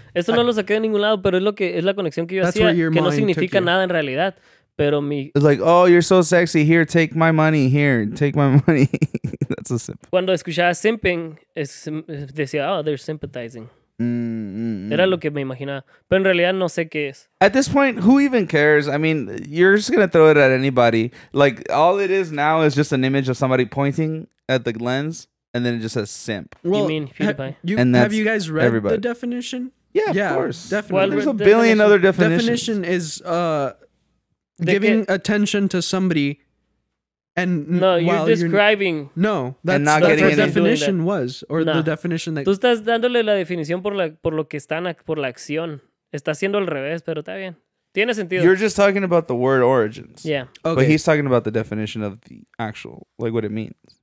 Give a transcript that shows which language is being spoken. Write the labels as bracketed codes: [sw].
[es] eso no lo saqué de ningún lado, pero es lo que es la conexión que yo hacía, que no significa nada en realidad. Pero mi [en] it's like, oh, you're so sexy. Here, take my money. That's a simp. [es] Cuando escuchaba simping, decía, [en] oh, they're sympathizing. [es] Era lo que me imaginaba, pero en realidad no sé qué es. [en] At this point, who even cares? I mean, you're just gonna throw it at anybody. Like all it is now is just an image of somebody pointing at the lens. And then it just says simp. Well, you mean PewDiePie? Have you guys read everybody. The definition? Yeah, of course. Definitely. Well, there's a billion other definitions. Definition is giving attention to somebody and No, that's not getting what the definition was or no. The definition that [es] tú estás dándole la definición por lo que están por la acción. Está haciendo al revés, pero está bien. Tiene sentido. [en] You're just talking about the word origins. Yeah. Okay. But he's talking about the definition of the actual, like what it means.